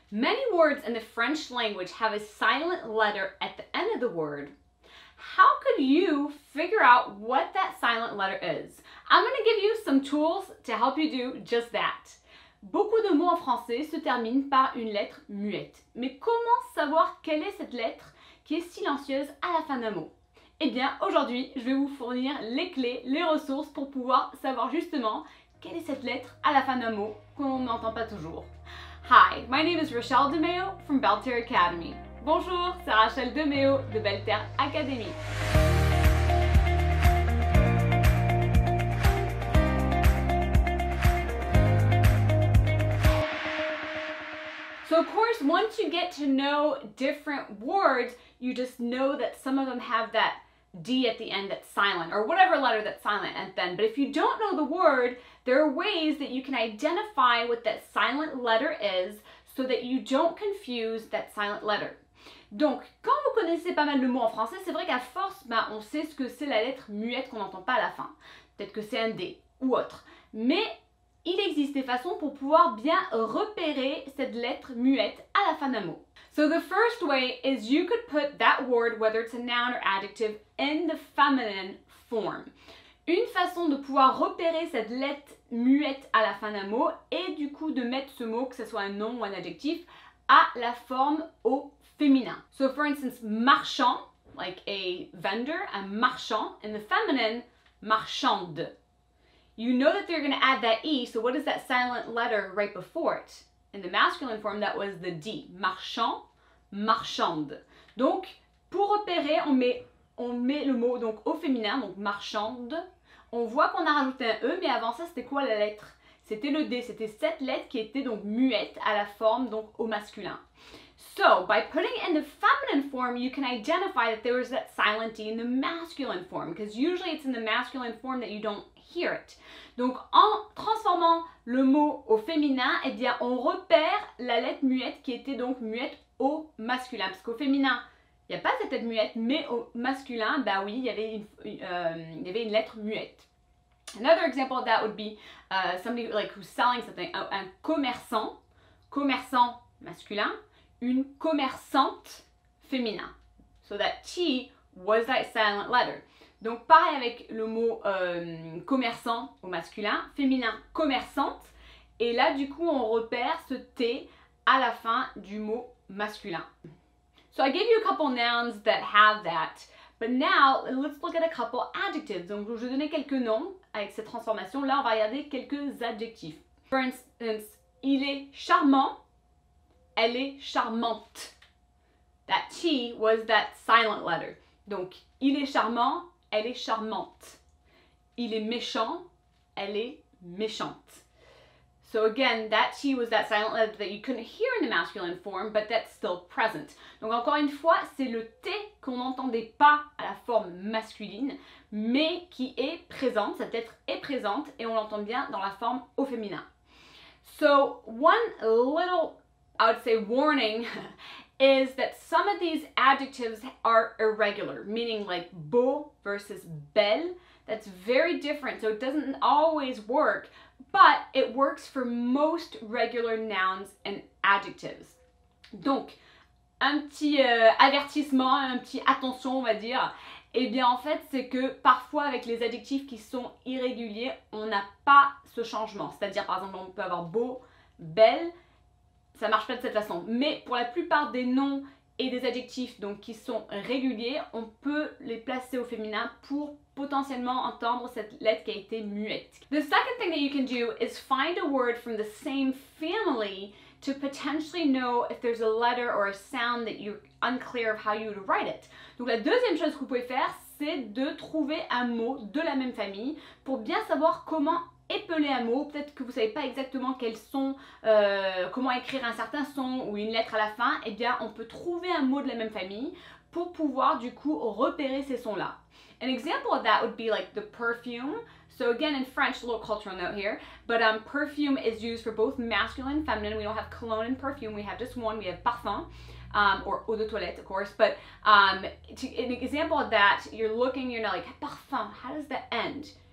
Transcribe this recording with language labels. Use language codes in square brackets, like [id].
[en] Many words in the French language have a silent letter at the end of the word. How could you figure out what that silent letter is? I'm going to give you some tools to help you do just that. [fr] Beaucoup de mots en français se terminent par une lettre muette. Mais comment savoir quelle est cette lettre qui est silencieuse à la fin d'un mot? Eh bien, aujourd'hui, je vais vous fournir les clés, les ressources pour pouvoir savoir justement quelle est cette lettre à la fin d'un mot qu'on n'entend pas toujours. [en] Hi, my name is Rachele DeMeo from Belle Terre Academy. [fr] Bonjour, c'est Rachèle DeMeo de Belle Terre Academy. [en] So of course, once you get to know different words, you just know that some of them have that D at the end that's silent, or whatever letter that's silent at the end. But if you don't know the word, there are ways that you can identify what that silent letter is so that you don't confuse that silent letter. [fr] Donc, quand vous connaissez pas mal de mots en français, c'est vrai qu'à force, bah, on sait ce que c'est la lettre muette qu'on n'entend pas à la fin. Peut-être que c'est un D ou autre. Mais il existe des façons pour pouvoir bien repérer cette lettre muette à la fin d'un mot. [en] So the first way is you could put that word, whether it's a noun or adjective, in the feminine form. [fr] Une façon de pouvoir repérer cette lettre muette à la fin d'un mot est du coup de mettre ce mot, que ce soit un nom ou un adjectif, à la forme au féminin. [en] So for instance, marchand, like a vendor, un marchand, in the feminine, marchande. You know that they're going to add that E, so what is that silent letter right before it? In the masculine form, that was the D. [fr] Marchand, marchande. Donc, pour repérer, on met le mot donc, au féminin, donc marchande. On voit qu'on a rajouté un E, mais avant ça, c'était quoi la lettre? C'était le D, c'était cette lettre qui était donc muette à la forme donc au masculin. [en] So, by putting it in the feminine form, you can identify that there was that silent D in the masculine form, because usually it's in the masculine form that you don't hear it. [fr] Donc, en transformant le mot au féminin, eh bien, on repère la lettre muette qui était donc muette au masculin. Parce qu'au féminin, il n'y a pas cette lettre muette, mais au masculin, bah oui, il y avait une lettre muette. [en] Another example of that would be somebody like who's selling something, un commerçant, [fr] commerçant masculin, une commerçante féminin. [en] So that T was that silent letter. [fr] Donc pareil avec le mot commerçant au masculin, féminin commerçante, et là du coup on repère ce T à la fin du mot masculin. [en] So I gave you a couple nouns that have that, but now let's look at a couple adjectives. [fr] Donc je vais donner quelques noms avec cette transformation, là on va regarder quelques adjectifs. [en] For instance, [fr] il est charmant, elle est charmante. [en] That T was that silent letter. [fr] Donc il est charmant, elle est charmante. Il est méchant, elle est méchante. [en] So again, that T was that silent letter that you couldn't hear in the masculine form, but that's still present. [fr] Donc encore une fois, c'est le T qu'on n'entendait pas à la forme masculine, mais qui est présente, cette lettre est présente, et on l'entend bien dans la forme au féminin. [en] So one little, I would say, warning is that some of these adjectives are irregular, meaning like beau versus belle. That's very different, so it doesn't always work, but it works for most regular nouns and adjectives. [fr] Donc, un petit avertissement, un petit attention, on va dire. Eh bien, en fait, c'est que parfois, avec les adjectifs qui sont irréguliers, on n'a pas ce changement. C'est-à-dire, par exemple, on peut avoir beau, belle, ça marche pas de cette façon. Mais pour la plupart des noms et des adjectifs donc, qui sont réguliers, on peut les placer au féminin pour potentiellement entendre cette lettre qui a été muette. [en] The second thing that you can do is find a word from the same family to potentially know if there's a letter or a sound that you're unclear of how you would write it. [fr] Donc la deuxième chose que vous pouvez faire, c'est de trouver un mot de la même famille pour bien savoir comment épeler un mot, peut-être que vous savez pas exactement quels sont, comment écrire un certain son ou une lettre à la fin, eh bien on peut trouver un mot de la même famille pour pouvoir du coup repérer ces sons-là. [en] An example of that would be like the perfume. So again, in French, a little cultural note here, but perfume is used for both masculine and feminine. We don't have cologne and perfume, we have just one, we have parfum, or eau de toilette, of course. But an example of that, you're looking, you're not like, parfum, how does that end?